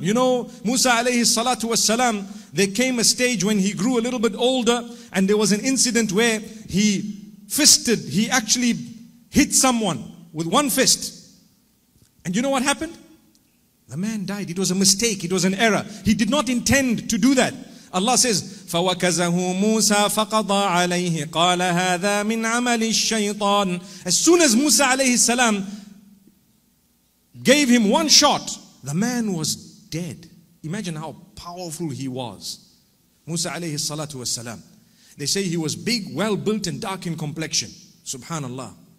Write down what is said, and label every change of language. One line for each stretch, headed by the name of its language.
English: You know, Musa alayhi salatu wasalam, there came a stage when he grew a little bit older and there was an incident where he actually hit someone with one fist. And you know what happened? The man died. It was a mistake. It was an error. He did not intend to do that. Allah says,
Arabic: فَوَكَزَهُ مُوسَى فَقَضَى عَلَيْهِ قَالَ هَذَا مِنْ عَمَلِ الشَّيْطَانِ.
English: As soon as Musa alayhi salam gave him one shot, the man was dead. Imagine how powerful he was. Musa alayhi salatu wasalam. They say he was big, well built and dark in complexion. Subhanallah.